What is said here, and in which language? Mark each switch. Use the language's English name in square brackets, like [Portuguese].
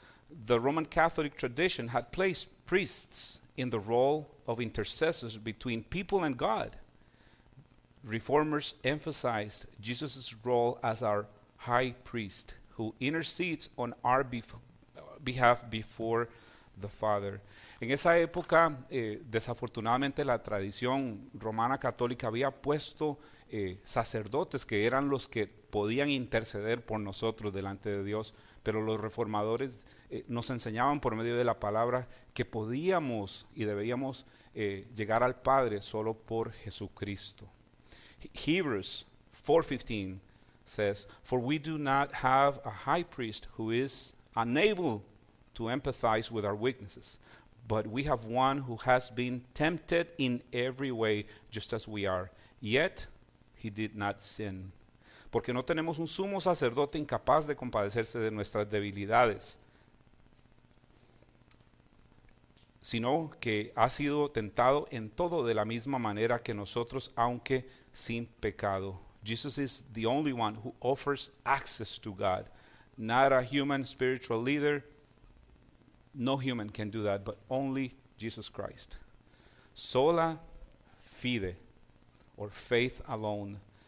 [English] The Roman Catholic tradition had placed priests in the role of intercessors between people and God. Reformers emphasized Jesus' role as our high priest who intercedes on our behalf before the Father. [Spanish] En esa época, desafortunadamente, la tradición romana católica había puesto sacerdotes que eran los que podían interceder por nosotros delante de Dios, pero los reformadores nos enseñaban por medio de la palabra que podíamos y debíamos llegar al Padre solo por Jesucristo. [English] Hebrews 4:15 says, for we do not have a high priest who is unable to empathize with our weaknesses, but we have one who has been tempted in every way just as we are, yet he did not sin. [Spanish] Porque no tenemos un sumo sacerdote incapaz de compadecerse de nuestras debilidades, sino que ha sido tentado en todo de la misma manera que nosotros, aunque sin pecado. [English] Jesus is the only one who offers access to God, not a human spiritual leader. No human can do that, but only Jesus Christ. Sola fide, or faith alone.